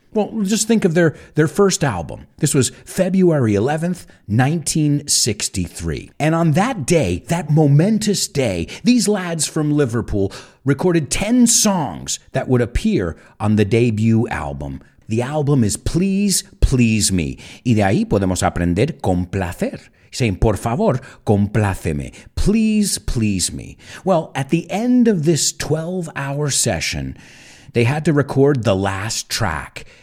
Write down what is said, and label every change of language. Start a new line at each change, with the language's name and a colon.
English: Well, just think of their first album. This was February 11th, 1963. And on that day, that momentous day, these lads from Liverpool recorded 10 songs that would appear on the debut album. The album is Please, Please Me.
Spanish: Y de ahí podemos aprender complacer.
English: Saying,
Spanish: por favor, compláceme,
English: please, please me. Well, at the end of this 12-hour session, they had to record the last track.